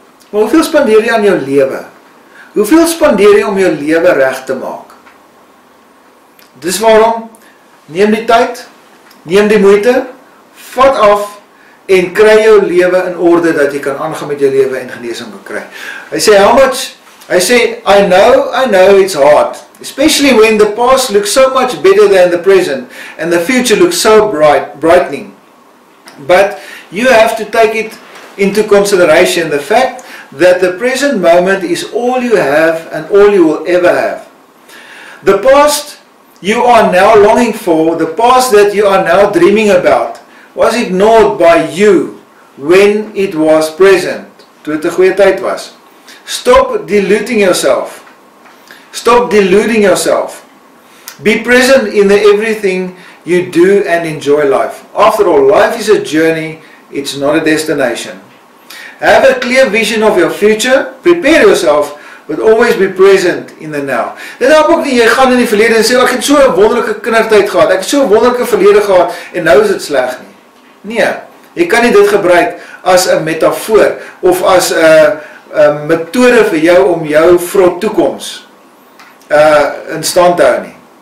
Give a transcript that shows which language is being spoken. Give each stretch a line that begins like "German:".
Afrikaans: Maar hoeveel spandeer jy aan jou lewe? Hoeveel spandeer jy om jou lewe reg te maak? Dis waarom, neem die tyd, neem die moeite, vat af en kry jou lewe in orde dat jy kan aangaan met jou lewe en genesing bekry. Hy sê,
English: how much?
Afrikaans: Hy sê,
English: I know it's hard, especially when the past looks so much better than the present and the future looks so brightening. But you have to take it into consideration, the fact that the present moment is all you have and all you will ever have. The past you are now longing for, the past that you are now dreaming about, was ignored by you when it was present.
Afrikaans: Toe het 'n goeie tyd was.
English: Stop deluding yourself. Be present in everything you do and enjoy life. After all, life is a journey, it's not a destination. Have a clear vision of your future, prepare yourself, but always be present in the now.
Afrikaans: Dit help ook nie, jy gaan in die verlede en sê, ek het so 'n wonderlike kindertyd gehad, ek het so 'n wonderlike verlede gehad, en nou is dit sleg nie. Nee, jy kan nie dit gebruik as 'n metafoor, of as 'n metode vir jou om jou vrot toekoms in stand te hou nie.